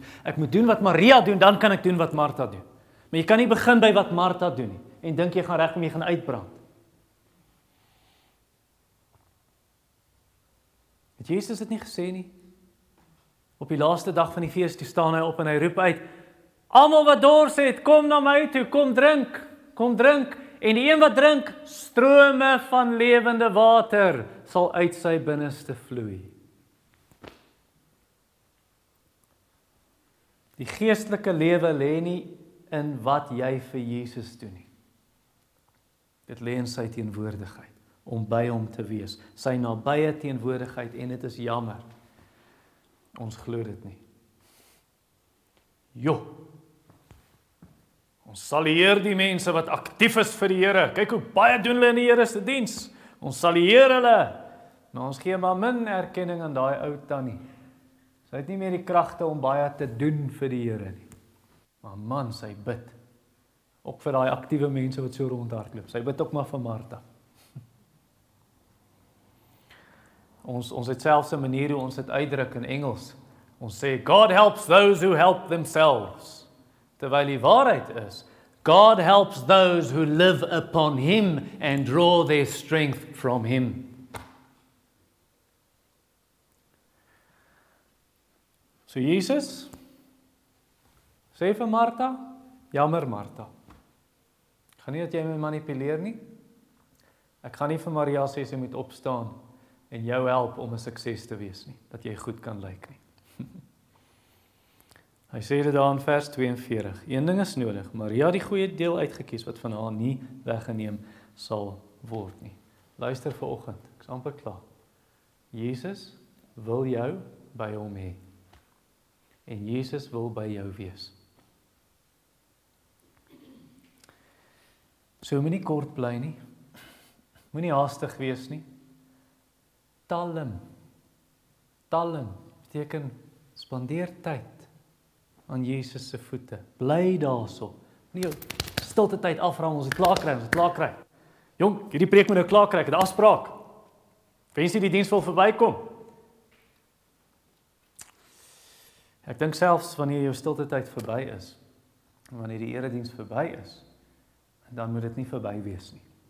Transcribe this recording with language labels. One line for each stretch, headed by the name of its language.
Afrikaans: Ek moet doen wat Maria doen, dan kan ek doen wat Martha doen. Maar jy kan nie begin by wat Martha doen nie en dink jy gaan regkom jy gaan uitbrand. Het Jesus dit nie gesê nie? Op die laaste dag van die fees toe staan hy op en hy roep uit: "Almal wat dors het, kom na my toe, kom drink." Kom drink, en die een wat drink, strome van lewende water sal uit sy binneste vloei. Die geestelike lewe lê nie in wat jy vir Jesus doen nie. Dit lê in sy teenwoordigheid, om by hom te wees. Sy nabye teenwoordigheid, en dit is jammer. Ons glo dit nie. Jo! Ons salieer die mense wat aktief is vir die Here. Kyk hoe baie doen hulle in die Here se diens. Ons salieer hulle. Maar ons gee maar min erkenning aan daai ou tannie. Sy het nie meer die kragte om baie te doen vir die Here nie. Maar man, sy bid. Ook vir daai aktiewe mense wat so rondhardloop. Sy bid ook maar vir Martha. Ons het selfs 'n manier hoe ons dit uitdruk in Engels. Ons sê
English: God helps those who help themselves.
Afrikaans: Terwyl die waarheid is,
English: God helps those who live upon him and draw their strength from him.
Afrikaans: So Jesus, sê vir Martha, jammer Martha, ek gaan nie dat jy my manipuleer nie, ek gaan nie vir Maria sê sy moet opstaan en jou help om 'n sukses te wees nie, dat jy goed kan lyk nie. Hy sê dit daar in vers 42, een ding is nodig, Maria die goeie deel uitgekies wat van haar nie weggeneem sal word nie. Luister vir oggend, ek is amper klaar. Jesus wil jou by hom hê. En Jesus wil by jou wees. So moenie kort bly nie. Moenie haastig wees nie. Talm. Talm beteken spandeer tyd aan Jesus se voete. Bly daarso. Nee, stilte tyd afraam, ons het klaar kry. Jong, hierdie preek moet nou klaar kry, ek het 'n afspraak. Wens jy die diens wil verbykom? Ek dink selfs wanneer jou stilte tyd verby is, wanneer die erediens verby is, dan moet dit nie verby wees nie.